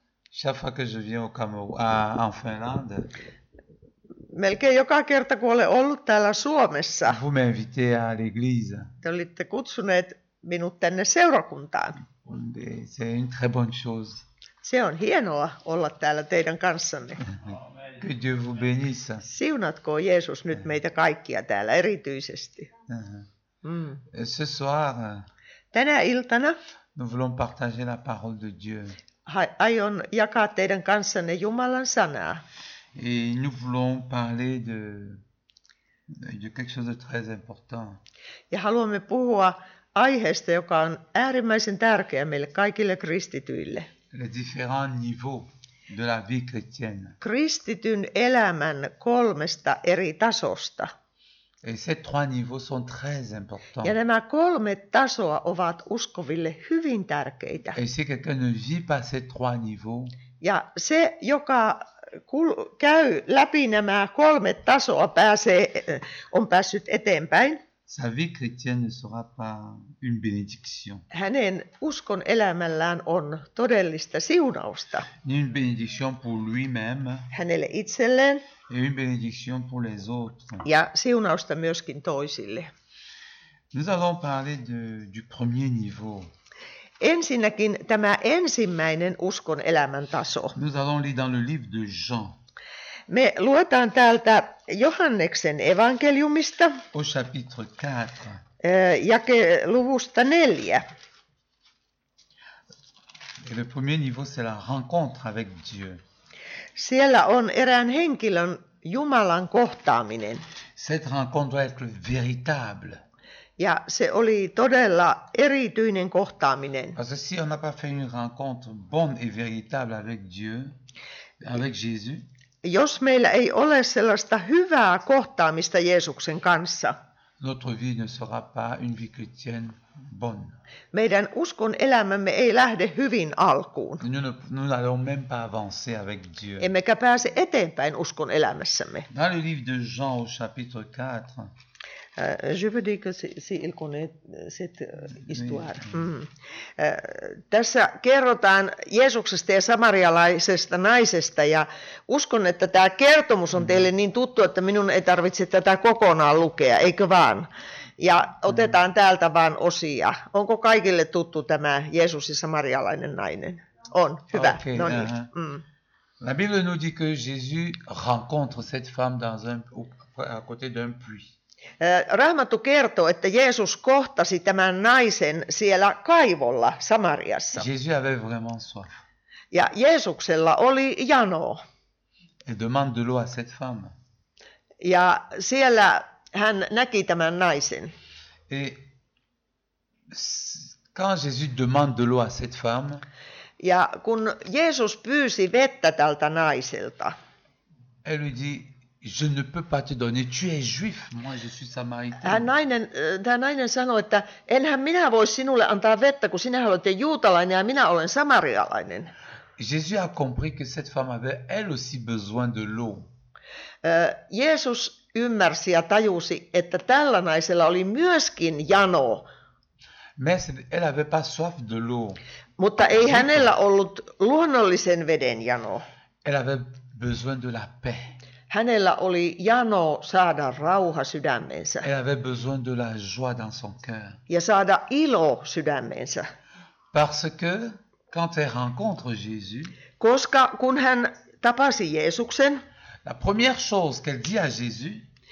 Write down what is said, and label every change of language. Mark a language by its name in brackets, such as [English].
[French] Chaque fois que je viens au en Finlande, [Finnish] Melkein joka kerta, kun olen ollut täällä Suomessa, [French] vous m'invitez à l'église. [Finnish] te olitte kutsuneet minut tänne seurakuntaan. [French] C'est une très bonne chose. [Finnish] Se on hienoa olla täällä teidän kanssanne. [French] Que Dieu vous bénisse. [Finnish] Siunatkoon Jeesus nyt meitä kaikkia täällä erityisesti. [French] Ce soir, [Finnish] tänä iltana [French] nous voulons partager la parole de Dieu. [Finnish] Aion jakaa teidän kanssanne Jumalan sanaa. [French] Et nous voulons parler de quelque chose de très important. [Finnish] Ja haluamme puhua aiheesta, joka on äärimmäisen tärkeä meille kaikille kristityille. [French] Les différents niveaux de la vie chrétienne. [Finnish] Kristityn elämän kolmesta eri tasosta. [French] Et ces trois niveaux sont très importants. [Finnish] Ja nämä kolme tasoa ovat uskoville hyvin tärkeitä. [French] Et si quelqu'un ne vit pas ces trois niveaux, [Finnish] ja se, joka käy läpi nämä kolme tasoa, on päässyt eteenpäin. [French] Sa vie chrétienne ne sera pas une bénédiction. [Finnish] Hänen uskon elämällään on todellista siunausta. [French] Ni une bénédiction pour lui-même. [Finnish] Hänelle itselleen. [French] Et une bénédiction pour les autres. [Finnish] Ja siunausta myöskin toisille. [French] Nous allons parler du premier niveau. [Finnish] Ensinnäkin tämä ensimmäinen uskon elämän taso. [French] Nous allons lire dans le livre de Jean. [Finnish] Me luetaan täältä Johanneksen evankeliumista. [French] Au chapitre 4. [Finnish] Jake luvusta 4. [French] Et le premier niveau, c'est la rencontre avec Dieu. [Finnish] Siellä on erään henkilön Jumalan kohtaaminen. [French] Cette rencontre doit être véritable. [Finnish] Ja se oli todella erityinen kohtaaminen. [French] Parce que si on n'a pas fait une rencontre bonne et véritable avec Dieu, avec Jésus, [Finnish] jos meillä ei ole sellaista hyvää kohtaamista Jeesuksen kanssa, [French] notre vie ne sera pas une vie chrétienne bonne. [Finnish] Meidän uskon elämämme ei lähde hyvin alkuun. [French] Nous n'allons même pas avancer avec Dieu. [Finnish] Emmekä pääse eteenpäin uskon elämässämme. [French] Dans le livre de Jean au chapitre 4. Je veux dire que c'est il connaît cette histoire. Oui. [Finnish] Tässä kerrotaan Jeesuksesta ja samarialaisesta naisesta, ja uskon, että tämä kertomus on teille niin tuttu, että minun ei tarvitse tätä kokonaan lukea, eikö vaan? Ja otetaan täältä vaan osia. Onko kaikille tuttu tämä Jeesus ja samarialainen nainen? On, hyvä. Okay, no niin. [French] La Bible nous dit que Jésus rencontre cette femme dans à côté d'un puits. [Finnish] Raamattu kertoo, että Jeesus kohtasi tämän naisen siellä kaivolla Samariassa. [French] Jésus avait vraiment soif. [Finnish] Ja Jeesuksella oli jano. [French] Et demande de l'eau à cette femme. [Finnish] Ja siellä hän näki tämän naisen. [French] Et quand Jésus demande de l'eau à cette femme, [Finnish] ja kun Jeesus pyysi vettä tältä naiselta, [French] elle lui dit: je ne peux pas te donner, tu es juif, moi je suis samaritain. [Finnish] Tämä nainen sanoi, että enhän minä voi sinulle antaa vettä, kun sinä olet juutalainen ja minä olen samarialainen. [French] Jésus a compris que cette femme avait elle aussi besoin de l'eau. [Finnish] Jeesus ymmärsi ja tajusi, että tällä naisella oli myöskin jano. [French] Mais elle avait pas soif de l'eau. [Finnish] Mutta ei hänellä ollut luonnollisen veden jano. [French] Elle avait besoin de la paix. [Finnish] Hänellä oli jano saada rauha sydämeensä. [French] Elle avait besoin de la joie dans son cœur. [Finnish] Ja saada ilo sydämeensä. [French] Parce que quand elle rencontre Jésus, [Finnish] koska kun hän tapasi Jeesuksen, [French] la première chose qu'elle dit à Jésus,